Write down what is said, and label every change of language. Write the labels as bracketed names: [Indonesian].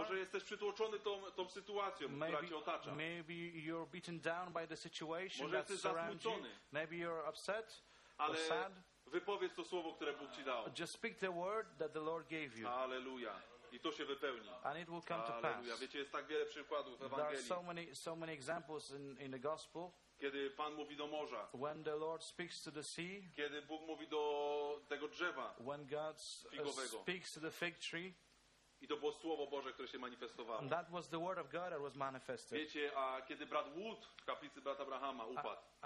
[Polish] Może jesteś przytłoczony tą sytuacją, [English] maybe, [Polish] która cię otacza. [English] Maybe you're beaten down by the situation. [Polish] Może jesteś zasmucony. [English] Maybe you're upset. [Polish] Ale [English] or sad. [Polish] Wypowiedz to słowo, które Bóg ci dał. [English] Just speak the word that the Lord gave you. [Polish] Alleluja. I to się wypełni. [English] And it will come to pass. [Polish] Alleluja. Wiecie, jest tak wiele przykładów w Ewangelii. [English] There are so many examples in the gospel. [Polish] Kiedy Pan mówi do morza. [English] When the Lord speaks to the sea. [Polish] Kiedy Bóg mówi do tego drzewa. [English] When God speaks to the fig tree. [Polish] I to było słowo Boże, które się manifestowało. [English] And that was the word of God that was manifested. [Polish] Wiecie, a kiedy brat Wood w kaplicy brata Abrahama upadł.